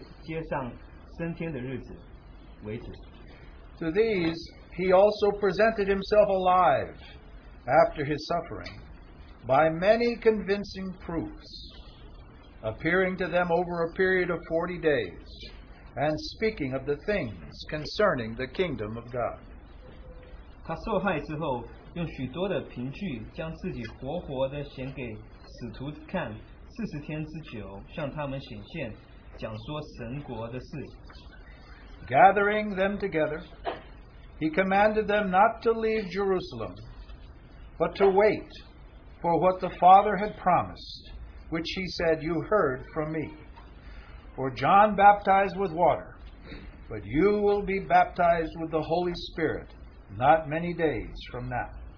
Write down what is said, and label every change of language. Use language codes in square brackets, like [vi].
[zh] 提阿非罗啊，我已经做了前书，论到耶稣开头一切所做、一切所行教训的，直到他借着圣灵吩咐所拣选的使徒，以后被接上升天的日子为止。 [en] To these, he also presented himself alive after his suffering by many convincing proofs, appearing to them over a period of 40 days and speaking of the things concerning the kingdom of God. [zh] 他受害之后，用许多的凭据将自己活活的显给使徒看， 40天之久向他们显现，讲说神国的事。 [en] Gathering them together, he commanded them not to leave Jerusalem, but to wait for what the Father had promised, which he said, You heard from me. For John baptized with water, but you will be baptized with the Holy Spirit not many days from now.